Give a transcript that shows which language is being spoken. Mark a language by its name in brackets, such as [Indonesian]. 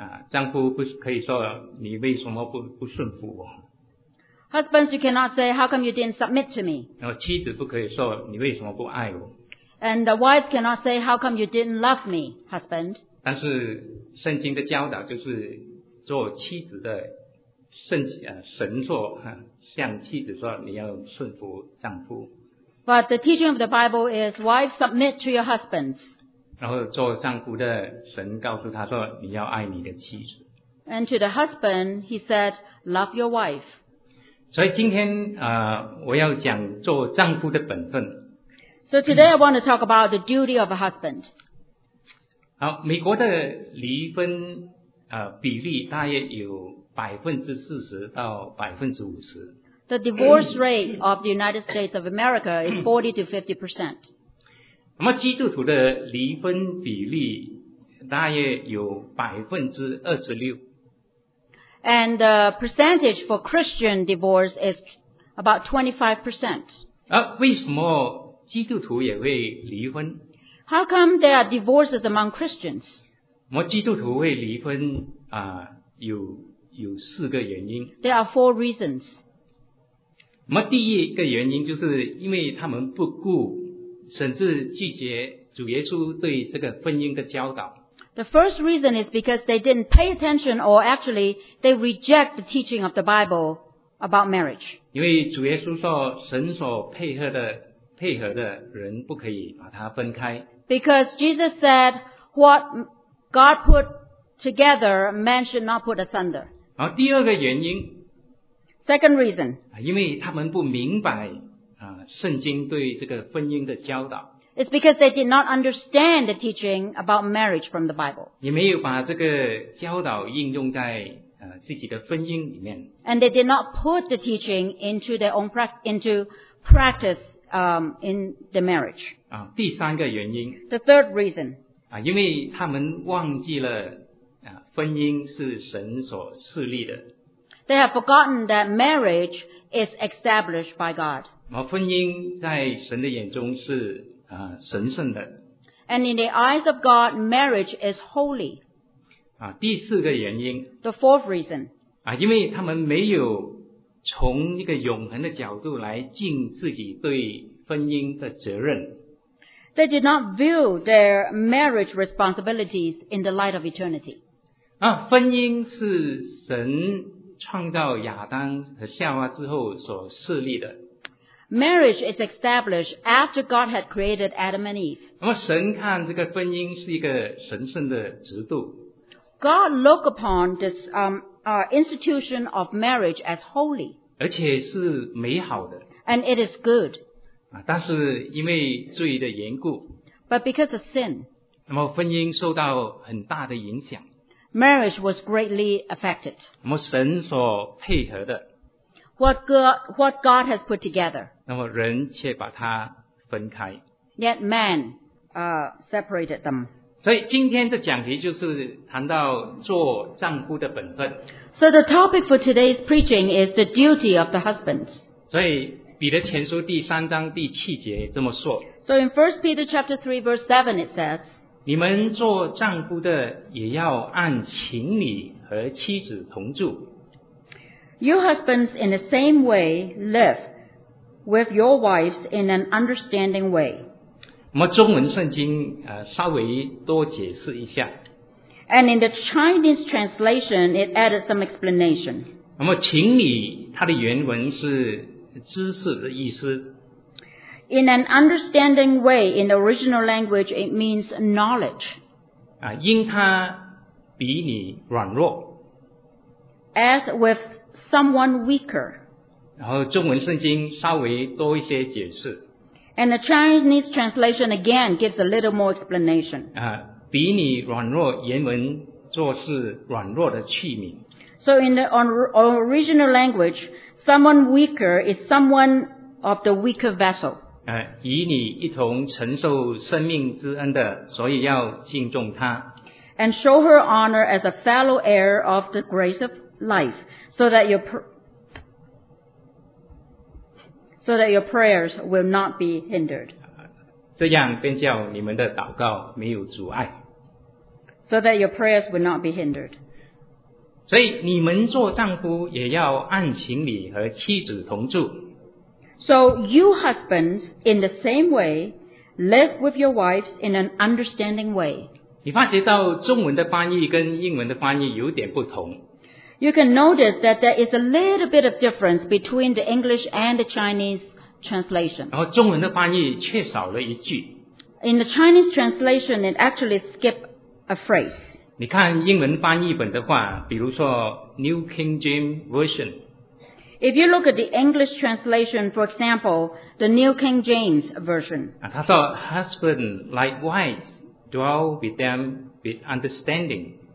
[Chinese] 丈夫不可以说你为什么不顺服我。 [English] Husbands, you cannot say, how come you didn't submit to me? [Chinese] 然后妻子不可以说你为什么不爱我。 [English] And the wives cannot say, how come you didn't love me, husband? [Chinese] 但是圣经的教导就是做妻子的神说向妻子说你要顺服丈夫。 [English] But the teaching of the Bible is, wives submit to your husbands. [Chinese] 然后做丈夫的神告诉他说你要爱你的妻子。 [English] And to the husband, he said, love your wife. [Chinese] 所以今天我要讲做丈夫的本分。 [English] So today I want to talk about the duty of a husband. [Chinese] 好，美国的离婚比例大约有 40% 到 50%。 [English] The divorce rate of the United States of America is 40 to 50%. [Chinese] 那么基督徒的离婚比例大约有 26%。 [English] And the percentage for Christian divorce is about 25%. [Chinese] 为什么基督徒也会离婚？ [English] How come there are divorces among Christians? [Chinese] 那么基督徒会离婚有四个原因。 [English] There are four reasons. [Chinese] 那么第一个原因就是因为他们不顾甚至拒绝主耶稣对这个婚姻的教导。 [English] The first reason is because they didn't pay attention or actually they reject the teaching of the Bible about marriage. [Chinese] 因为主耶稣说神所配合的人不可以把它分开。 [English] Because Jesus said what God put together man should not put asunder. [Chinese] 然后第二个原因。 [English] Second reason. [Chinese] 因为他们不明白圣经对这个婚姻的教导。 [English] It's because they did not understand the teaching about marriage from the Bible. [Chinese] 也没有把这个教导应用在自己的婚姻里面。 [English] And they did not put the teaching into practice in the marriage. [Chinese] 第三个原因。 [English] The third reason. [Chinese] 因为他们忘记了婚姻是神所设立的。 [English] They have forgotten that marriage is established by God. [Chinese] 婚姻在神的眼中是神圣的。 [English] And in the eyes of God, marriage is holy. [Chinese] 第四个原因。 [English] The fourth reason. [Chinese] 因为他们没有从一个永恒的角度来尽自己对婚姻的责任。 [English] They did not view their marriage responsibilities in the light of eternity. [Chinese] 啊，婚姻是神创造亚当和夏娃之后所设立的。 [English] Marriage is established after God had created Adam and Eve. [Chinese] 那么神看这个婚姻是一个神圣的制度。 [English] God looked upon this institution of marriage as holy. [Chinese] 而且是美好的。 [English] And it is good. [Chinese] 但是因为罪的缘故 [English] But because of sin, [Chinese] 那么婚姻受到很大的影响 [English] Marriage was greatly affected. [Chinese] 那么神所配合的 [English] What God has put together, [Chinese] 那么人却把它分开 [English] Yet man, separated them. [Chinese] 所以今天的讲题就是谈到做丈夫的本分 [English] So the topic for today's preaching is the duty of the husbands. [Chinese] 所以彼得前书第三章第七节这么说。 [English] So in 1 Peter chapter 3 verse 7 it says, [Chinese] 你们做丈夫的也要按情理和妻子同住。 [English] You husbands in the same way live with your wives in an understanding way. [Chinese] 那么中文圣经稍微多解释一下。 [English] And in the Chinese translation it added some explanation. [Chinese] 那么情理它的原文是知识的意思。 [English] In an understanding way, in the original language, it means knowledge. [Chinese] 啊，因他比你软弱。 [English] As with someone weaker. [Chinese] 然后中文圣经稍微多一些解释。 [English] And the Chinese translation again gives a little more explanation. [Chinese] 啊，比你软弱，原文做是软弱的器皿。 [English] So in the original language, someone weaker is someone of the weaker vessel. [Chinese] 与你一同承受生命之恩的，所以要敬重他。 [English] And show her honor as a fellow heir of the grace of life, so that your prayers will not be hindered. [Chinese] 这样便叫你们的祷告没有阻碍。 [English] So that your prayers will not be hindered. [Chinese] 所以你们做丈夫也要按情理和妻子同住。 [English] So you husbands in the same way live with your wives in an understanding way. [Chinese] 你发觉到中文的翻译跟英文的翻译有点不同。 [English] You can notice that there is a little bit of difference between the English and the Chinese translation. [Chinese] 然后中文的翻译缺少了一句。 [English] In the Chinese translation, it actually skipped a phrase. [Chinese] 你看英文翻译本的话，比如说 New King James Version. [English] If you look at the English translation, for example, the New King James Version. [Chinese] 他说 [English] husband likewise dwell with them with understanding.